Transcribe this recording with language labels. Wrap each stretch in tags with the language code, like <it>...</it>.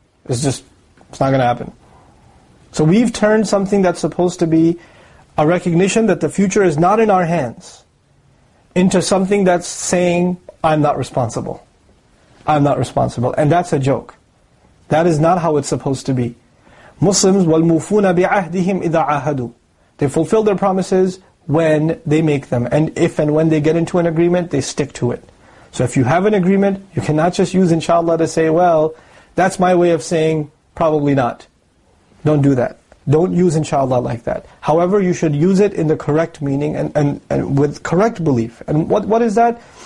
<en>It's not going to happen. So we've turned something that's supposed to be a recognition that the future is not in our hands into something that's saying, I'm not responsible. I'm not responsible. And that's a joke. That is not how it's supposed to be. Muslims,</en> <ar>وَالْمُوفُونَ بِعَهْدِهِمْ إِذَا عَهَدُوا.</ar> <en>They fulfill their promises when they make them. And if and when they get into an agreement, they stick to it. So if you have an agreement, you cannot just use inshallah to say, well, that's my way of saying, probably not. Don't do that. Don't use inshallah like that. However, you should use it in the correct meaning and with correct belief. And what is that?</en>